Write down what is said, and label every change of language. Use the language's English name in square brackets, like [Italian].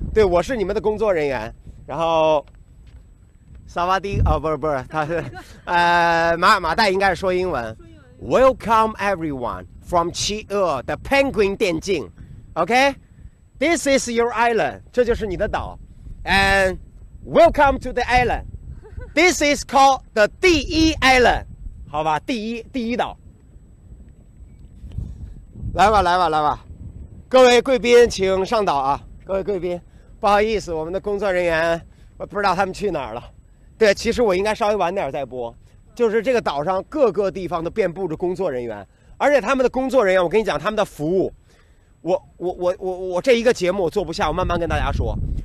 [Chinese] 对，我是你们的工作人员。然后，萨瓦迪啊，不是，他是马代应该是说英文， [English] Welcome everyone from [Chinese] 企鹅 [English] the Penguin [Chinese] 电竞，OK？ [English] This is your island， [Chinese] 这就是你的岛。 [English] And welcome to the island. This is called the 第一 island， [Chinese] 好吧，第一岛。来吧，来吧，来吧，各位贵宾，请上岛啊！各位贵宾，不好意思，我们的工作人员我不知道他们去哪儿了。对，其实我应该稍微晚点再播，就是这个岛上各个地方都遍布着工作人员，而且他们的工作人员，我跟你讲，他们的服务，我这一个节目我做不下，我慢慢跟大家说。